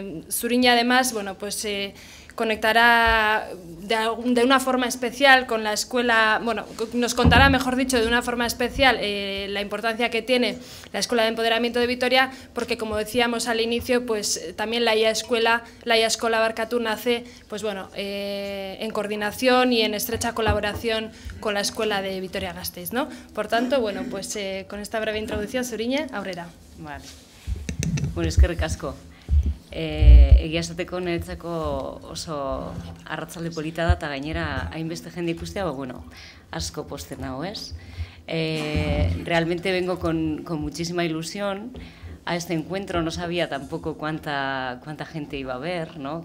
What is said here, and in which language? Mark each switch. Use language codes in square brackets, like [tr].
[es] Zuriñe, además, conectará de una forma especial con la escuela, nos contará, mejor dicho, de una forma especial la importancia que tiene la Escuela de Empoderamiento de Vitoria, porque, como decíamos al inicio, pues también la IA Escola nace en coordinación y en estrecha colaboración con la Escuela de Vitoria-Gasteiz, ¿no? Por tanto, con esta breve introducción, Zuriñe, aurrera. Vale. Bueno, es que recasco. [eu] Egia esateko niretzako oso arratzalde polita da, eta gainera hainbeste jende ikustea, asko posten nago, ez? [es] Realmente vengo con muchísima ilusión a este encuentro. No sabía tampoco cuánta gente iba a ver, ¿no?